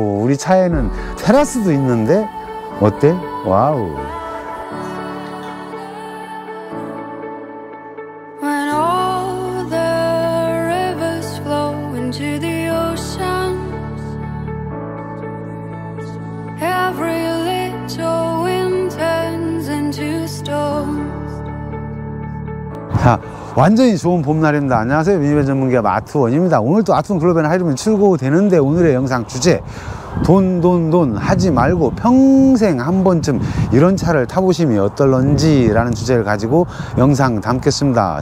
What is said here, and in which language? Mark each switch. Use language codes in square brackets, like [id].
[ko] 우리 차에는 테라스도 있는데 어때? 와우. [en] When all the rivers flow into the ocean, every little wind turns into storms. [ko] 완전히 좋은 봄날입니다. 안녕하세요. 미니밴 전문기업 아트원입니다. 오늘도 아트원 글로벌 하이룸에 출고되는데 오늘의 영상 주제 돈 하지 말고 평생 한 번쯤 이런 차를 타보시면 어떨런지 라는 주제를 가지고 영상 담겠습니다.